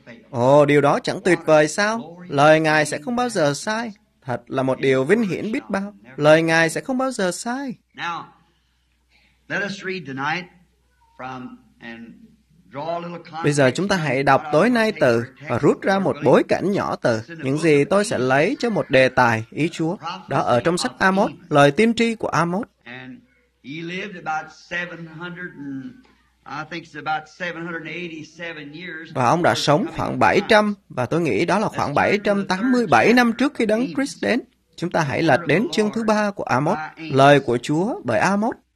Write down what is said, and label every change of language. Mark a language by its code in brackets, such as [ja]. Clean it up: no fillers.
[vi] Ồ, điều đó chẳng tuyệt vời sao? Lời Ngài sẽ không bao giờ sai. Thật là một điều vinh hiển biết bao. Lời Ngài sẽ không bao giờ sai. [en] Now, let us read tonight from and draw a little context. [vi] Bây giờ chúng ta hãy đọc tối nay từ và rút ra một bối cảnh nhỏ từ những gì tôi sẽ lấy cho một đề tài ý Chúa. Đó ở trong sách Amos, lời tiên tri của Amos. [en] And he lived about 787 years. [vi] Và ông đã sống khoảng 700, và tôi nghĩ đó là khoảng 787 năm trước khi Đấng Christ đến. Chúng ta hãy lật đến chương thứ 3 của Amos, lời của Chúa bởi Amos.